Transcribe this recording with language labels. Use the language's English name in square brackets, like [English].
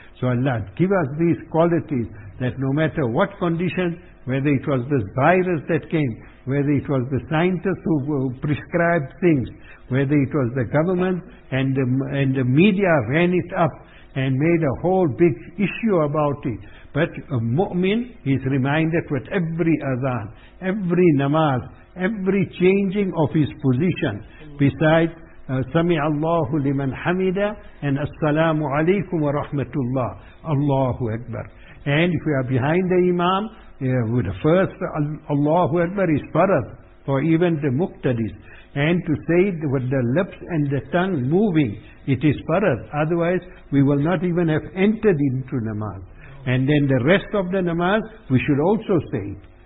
[English] So Allah, give us these qualities that no matter what condition, whether it was this virus that came, whether it was the scientists who prescribed things, whether it was the government and the media ran it up and made a whole big issue about it. But a mu'min is reminded with every adhan, every namaz, every changing of his position. Besides, [Arabic] سَمِعَ اللَّهُ لِمَنْ حَمِدَ and السَّلَامُ عَلَيْكُمْ وَرَحْمَةُ اللَّهِ. [English] Allahu Akbar. And if we are behind the imam, with the first Allahu Akbar is farad for even the muqtadis. And to say it with the lips and the tongue moving, it is farad. Otherwise, we will not even have entered into namaz. And then the rest of the namaz, we should also say it.